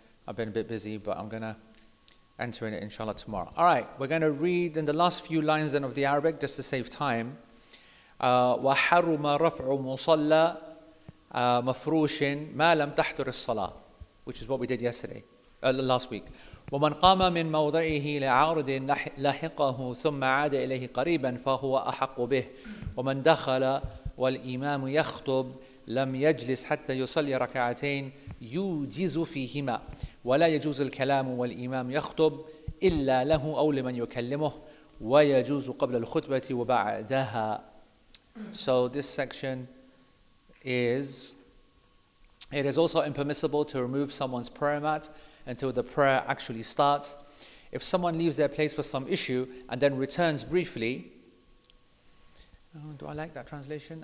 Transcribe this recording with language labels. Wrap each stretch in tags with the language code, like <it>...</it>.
<en>I've been a bit busy, but I'm gonna enter in it inshallah tomorrow. All right, we're gonna read in the last few lines then of the Arabic, just to save time.</en> <ar>وَحَرُمَ رَفْعُ مُصَلَّى مَفْرُوشٍ مَا لَمْ تَحْضُرِ الصَّلَاةِ,</ar> <en>which is what we did yesterday, last week.</en> <ar>وَمَنْ قَامَ مِنْ مَوْضَعِهِ لَعَارُدٍ لَحِقَهُ ثُمَّ عَادَ إِلَيْهِ قَرِيبًا فَهُوَ أَحَقُّ بِهِ وَمَنْ دَخَلَ والإمام يخطب لم يجلس حتى يصلي ركعتين يوجز فيهما ولا يجوز الكلام والإمام يخطب إلا له أو لمن يكلمه ويجوز قبل الخطبة وبعدها.</ar> <en>So this section is, it is also impermissible to remove someone's prayer mat until the prayer actually starts. If someone leaves their place for some issue and then returns briefly, do I like that translation?</en>